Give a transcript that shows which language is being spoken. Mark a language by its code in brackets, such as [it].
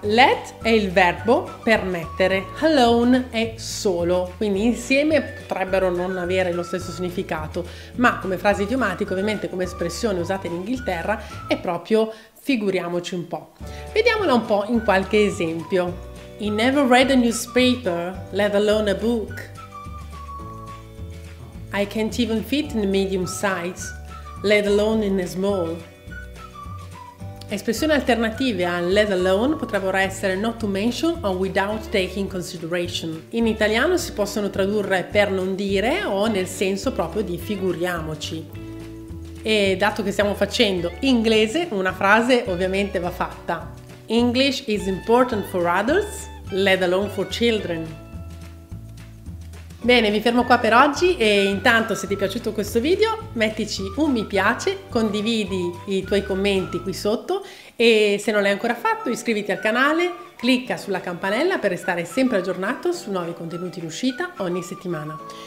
[it] Let è il verbo permettere, alone è solo, quindi insieme potrebbero non avere lo stesso significato, ma come frase idiomatica, ovviamente come espressione usata in Inghilterra, è proprio figuriamoci un po'. Vediamola un po' in qualche esempio. [en] He never read a newspaper, let alone a book. I can't even fit in a medium size, let alone in a small. [it] Espressioni alternative a let alone potrebbero essere [en] not to mention [it] or [en] without taking consideration. [it] In italiano si possono tradurre per non dire o nel senso proprio di figuriamoci. E dato che stiamo facendo inglese, una frase ovviamente va fatta. [en] English is important for adults. Let alone for children. [it] Bene, mi fermo qua per oggi e intanto se ti è piaciuto questo video, mettici un mi piace, condividi i tuoi commenti qui sotto e se non l'hai ancora fatto, iscriviti al canale, clicca sulla campanella per restare sempre aggiornato su nuovi contenuti in uscita ogni settimana.